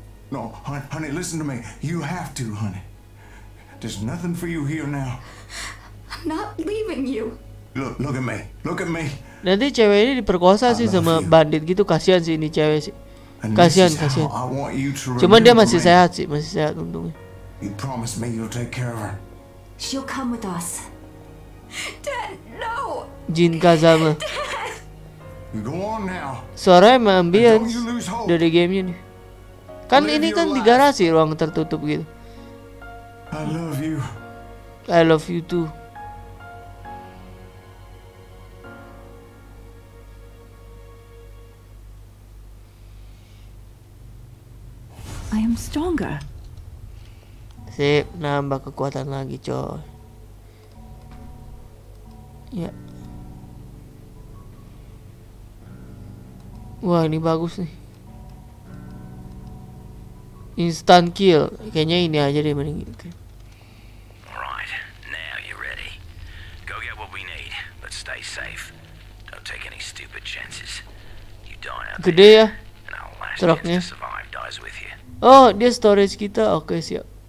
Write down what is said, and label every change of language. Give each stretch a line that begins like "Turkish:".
English: No, honey, listen to me. You have to, honey. There's nothing for you here now. I'm not leaving you. Look at me. Look at me.
Indonesian: Nanti cewek ini diperkosa sih sama you. Bandit gitu. Kasian sih ini cewek sih. Kasian.
English: I want you to remember.
Indonesian: Cuman dia masih sehat sih, masih sehat untungnya.
English: You promise me you'll take care of her. She'll come with us. Dad, no. Jin Kazama. Go on now.
Indonesian: Suaranya mambian dari game ini. Kan ini kan di garasi ruang tertutup gitu.
English: I love you too. I am stronger.
Indonesian: Sip, nambah kekuatan lagi, coy. Ya. Wah, ini bagus nih.
English: Instant kill.
Indonesian: Kayaknya ini aja deh mending.
English: Okay. Right. Now you ready. Go get what we need, but stay safe. Don't take any stupid chances. You die out.
Indonesian: Gede ya. Truknya. Oh, dia storage kita. Okay, siap.